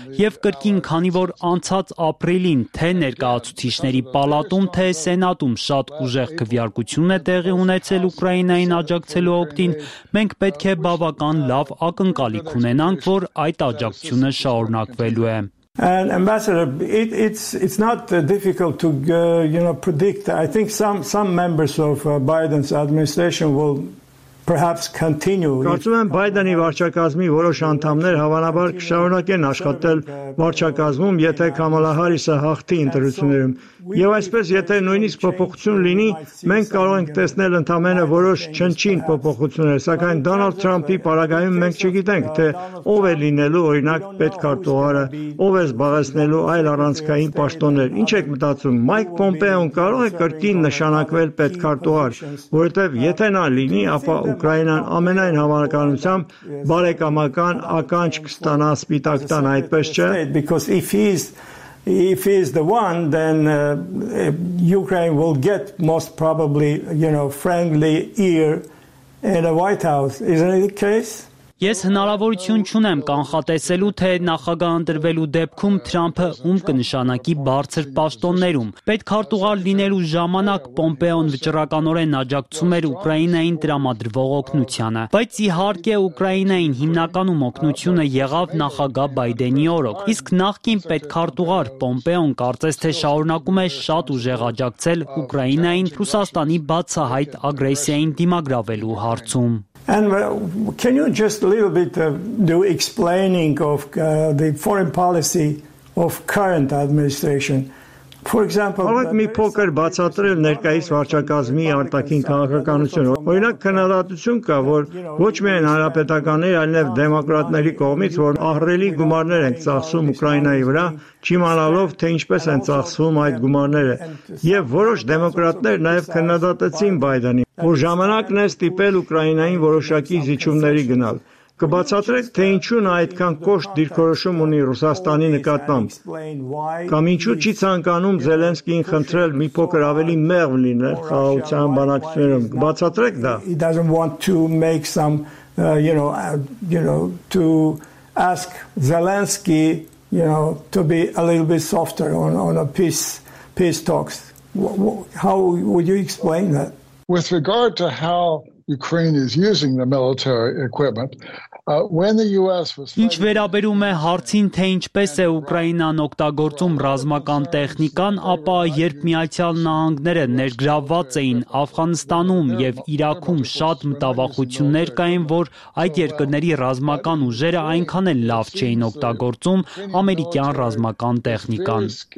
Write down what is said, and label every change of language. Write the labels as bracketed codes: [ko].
[hy] և կրկին, քանի որ անցած ապրիլին թե ներկայացուցիչների պալատում, թե սենատում շատ ուժեղ քվեարկություն է տեղի ունեցել Ուկրաինային աջակցելու օգտին, մենք պետք է բավական լավ ակնկալիք ունենանք, որ այդ աջակցությունը շարունակվելու է։ [en] And ambassador, it's not difficult to predict. I think some members of Biden's administration will perhaps continue. [hy] Կարծում եմ Բայդենի վարչակազմի որոշ անդամներ հավանաբար կշարունակեն աշխատել վարչակազմում, եթե Կամալա Հարիսը հաղթի ընտրություններում։ Եվ այսպես, եթե նույնիսկ փոփոխություն լինի, մենք կարող ենք տեսնել ընդամենը որոշ չնչին փոփոխություններ, սակայն Դոնալդ Թրամփի պարագայում մենք չգիտենք, թե ով է լինելու, օրինակ, պետքարտուղարը, ով է զբաղեցնելու այլ առանցքային պաշտոններ։ Ինչ եք մտածում, Մայք Պոմպեոն կարող է կրկին նշանակվել պետքարտուղար, որովհետև եթե նա լինի, ապա Ուկրաինան ամենայն հավանականությամբ բարեկամական ականջ կստանա Սպիտակ տան, այդպես չէ։ [en] If he's the one, then Ukraine will get most probably, friendly ear in the White House. Isn't it the case? [hy] Ես հնարավորություն չունեմ կանխատեսելու, թե նախագահ ընտրվելու դեպքում Թրամփը ում կնշանակի բարձր պաշտոններում։ Պետք արտուղալ լինելու ժամանակ Պոմպեոն վճռականորեն աջակցում էր Ուկրաինային տրամադրվող օգնությանը, բայց իհարկե Ուկրաինային հիմնականում օգնությունը եղավ նախագահ Բայդենի օրոք։ Իսկ նախկին պետք արտուղար Պոմպեոն կարծես թե շարունակում է շատ ուժեղ աջակցել Ուկրաինային Ռուսաստանի բացահայտ ագրեսիային դիմագրավելու հարցում։ [en] And can you just a little bit do explaining of the foreign policy of current administration? For example, [hy] Բայց մի փոքր բացատրել ներկայիս վարչակազմի արտաքին քաղաքականությունը։ Օրինակ քննադատություն կա, որ ոչ միայն հանրապետականների, այլև դեմոկրատների կողմից, որ ահռելի գումարներ են ծախսում Ուկրաինայի վրա, չիմանալով, թե ինչպես են ծախսվում այդ գումարները, եւ որոշ դեմոկրատներ նաեւ քննադատեցին Բայդենին, որ ժամանակն է ստիպել Ուկրաինային որոշակի զիջումների գնալ։ Կբացատրեք, թե ինչու նա այդքան կոշտ դիրքորոշում ունի Ռուսաստանի նկատմամբ, կամ ինչու չի ցանկանում Զելենսկին խնդրել մի փոքր ավելի մեղմ լինել խաղաղության բանակցություններում։ Կբացատրեք դա։ [en] He doesn't want to make some to ask Zelensky, to be a little bit softer on a peace talks. How would you explain that? With regard to how Ukraine is using the military equipment. When the US was [hy] Ինչ վերաբերում է հարցին, թե ինչպես է Ուկրաինան օգտագործում ռազմական տեխնիկան, ապա երբ Միացյալ Նահանգները ներգրավված էին Աֆղանստանում եւ Իրաքում, շատ մտավախություններ կային, որ այդ երկրների ռազմական ուժերը այնքան էլ լավ չէին օգտագործում ամերիկյան ռազմական տեխնիկան։